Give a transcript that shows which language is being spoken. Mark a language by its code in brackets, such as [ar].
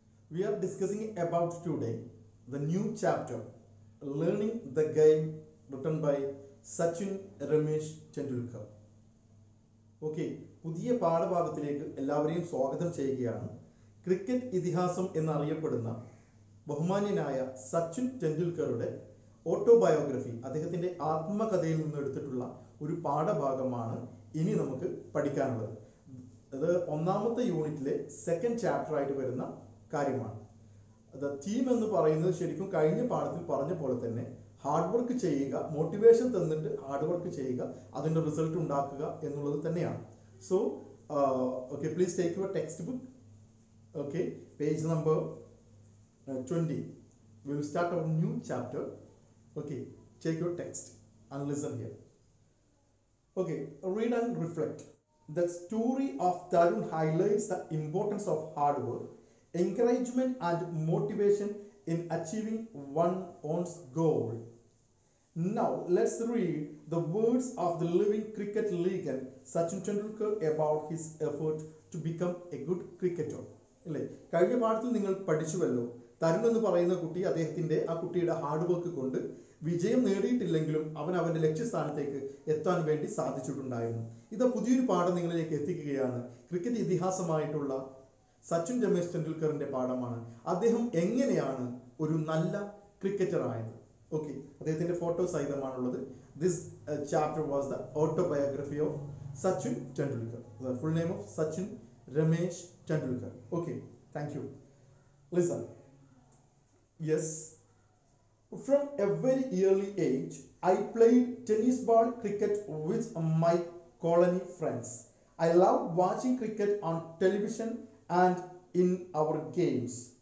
[en] We are discussing about today the new chapter, Learning the Game, written by Sachin Ramesh Tendulkar. [ml] Okay, പുതിയ പാഠഭാഗത്തിലേക്ക് എല്ലാവരെയും സ്വാഗതം ചെയ്യുകയാണ്. Cricket ഇതിഹാസം എന്നറിയപ്പെടുന്ന ബഹുമാന്യനായ സച്ചിൻ ടെണ്ടുൽക്കറുടെ ഓട്ടോബയോഗ്രഫി, അദ്ദേഹത്തിൻ്റെ ആത്മകഥയിൽ നിന്ന് എടുത്തിട്ടുള്ള ഒരു പാഠഭാഗമാണ് ഇനി നമുക്ക് പഠിക്കാനുള്ളത്. അത് ഒന്നാമത്തെ യൂണിറ്റിലെ സെക്കൻഡ് ചാപ്റ്ററായിട്ട് വരുന്ന കാര്യമാണ്. അത് തീം എന്ന് പറയുന്നത് ശരിക്കും കഴിഞ്ഞ പാഠത്തിൽ പറഞ്ഞ പോലെ തന്നെ ഹാർഡ് വർക്ക് ചെയ്യുക, മോട്ടിവേഷൻ തന്നിട്ട് ഹാർഡ് വർക്ക് ചെയ്യുക, അതിൻ്റെ റിസൾട്ട് ഉണ്ടാക്കുക എന്നുള്ളത് തന്നെയാണ്. [en] So okay, please take your textbook. Okay, page number 20. We will start our new chapter. Okay, take your text and listen here. Okay, read and reflect. The story of Tarun highlights the importance of hard work, encouragement and motivation in achieving one's goal. Now let's read the words of the living cricket legend Sachin Tendulkar about his effort to become a good cricketer. [ml] ഇല്ല, കഴിഞ്ഞ പാഠത്തിൽ നിങ്ങൾ പഠിച്ചുവല്ലോ, തരുൺ എന്ന് പറയുന്ന കുട്ടി അദ്ദേഹത്തിന്റെ ആ കുട്ടിയുടെ ഹാർഡ് വർക്ക് കൊണ്ട് വിജയം നേടിയിട്ടില്ലെങ്കിലും അവൻ അവൻ്റെ ലക്ഷ്യസ്ഥാനത്തേക്ക് എത്താൻ വേണ്ടി സാധിച്ചിട്ടുണ്ടായിരുന്നു. ഇത് പുതിയൊരു പാഠം നിങ്ങളിലേക്ക് എത്തിക്കുകയാണ്. ക്രിക്കറ്റ് ഇതിഹാസമായിട്ടുള്ള സച്ചിൻ രമേശ് ടെണ്ടുൽക്കറിൻ്റെ പാഠമാണ്. അദ്ദേഹം എങ്ങനെയാണ് ഒരു നല്ല ക്രിക്കറ്റർ ആയത്? [en] okay, [ml] അദ്ദേഹത്തിൻ്റെ photo സഹിതമാണുള്ളത്. [en] This chapter was the autobiography of Sachin Tendulkar. The full name of Sachin Ramesh Tendulkar. Okay, thank you. Listen. Yes, from a very early age I played tennis ball cricket with my colony friends. I loved watching cricket on television and in our games.